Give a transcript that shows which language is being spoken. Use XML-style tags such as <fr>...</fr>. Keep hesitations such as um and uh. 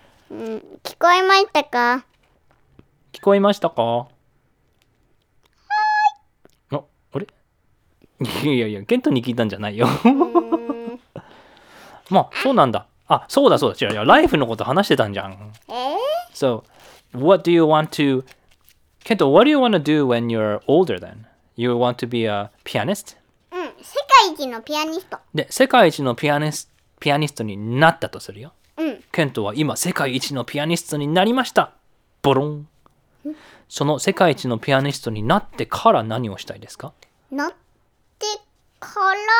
<ja>う ん、聞こえましたか聞こえましたかいやいや、ケントに聞いたんじゃないよ。 まあ、そうなんだ。あ、そうだそうだ。違う違う。ライフのこと話してたんじゃん。えー、?</ja> <en>So, what do you want to.</en> <ja>ケント、</ja> <en>what do you want to do when you're older t h e You want to be a pianist?</en> <ja>うん、世界一のピアニスト。で、世界一のピアニスピアニストになったとするよ。うん。ケントは今、世界一のピアニストになりました。ボロン。その世界一のピアニストになってから何をしたいですかてから</ja>